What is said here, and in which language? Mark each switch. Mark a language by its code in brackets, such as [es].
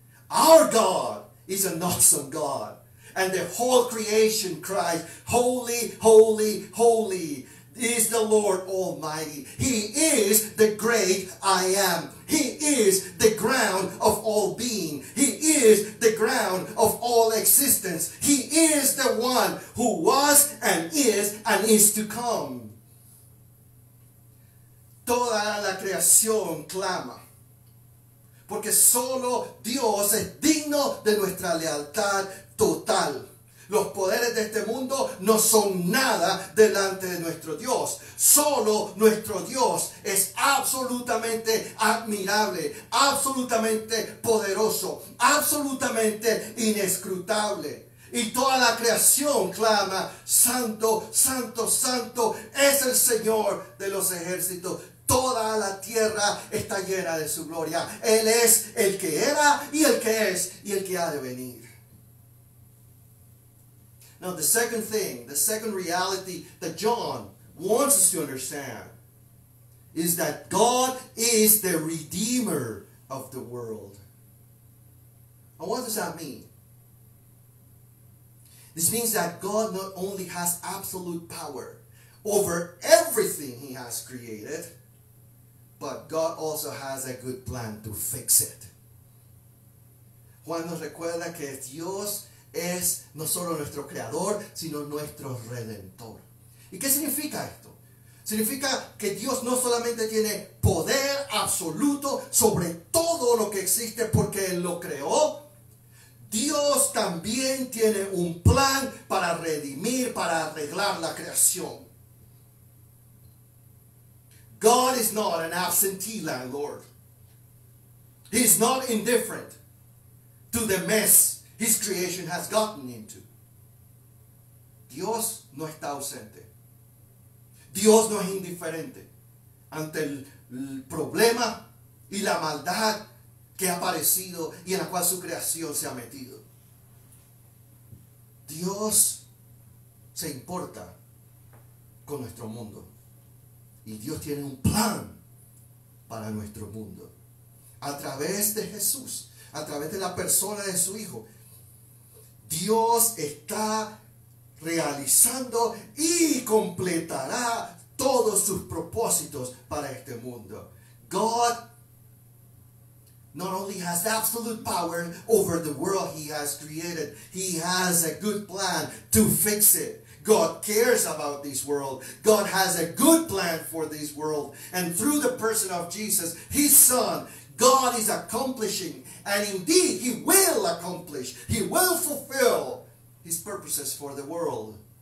[en] Our God is an awesome God. And the whole creation cries, "Holy, holy, holy is the Lord Almighty. He is the great I am. He is the ground of all being. He is the ground of all existence. He is the one who was and is to come." [es] Toda la creación clama, porque solo Dios es digno de nuestra lealtad total. Los poderes de este mundo no son nada delante de nuestro Dios. Solo nuestro Dios es absolutamente admirable, absolutamente poderoso, absolutamente inescrutable. Y toda la creación clama, "Santo, santo, santo es el Señor de los ejércitos. Toda la tierra está llena de su gloria. Él es el que era y el que es y el que ha de venir." [en] Now the second thing, the second reality that John wants us to understand is that God is the Redeemer of the world. And what does that mean? This means that God not only has absolute power over everything he has created, but God also has a good plan to fix it. [es] Juan nos recuerda que Dios es no solo nuestro creador, sino nuestro redentor. ¿Y qué significa esto? Significa que Dios no solamente tiene poder absoluto sobre todo lo que existe porque Él lo creó. Dios también tiene un plan para redimir, para arreglar la creación. [en] God is not an absentee landlord. He is not indifferent to the mess his creation has gotten into. [es] Dios no está ausente. Dios no es indiferente ante el problema y la maldad que ha aparecido y en la cual su creación se ha metido. Dios se importa con nuestro mundo. Y Dios tiene un plan para nuestro mundo. A través de Jesús, a través de la persona de su Hijo, Dios está realizando y completará todos sus propósitos para este mundo. [en] God not only has absolute power over the world he has created, he has a good plan to fix it. God cares about this world. God has a good plan for this world. And through the person of Jesus, his son, God is accomplishing, and indeed he will accomplish, he will fulfill his purposes for the world.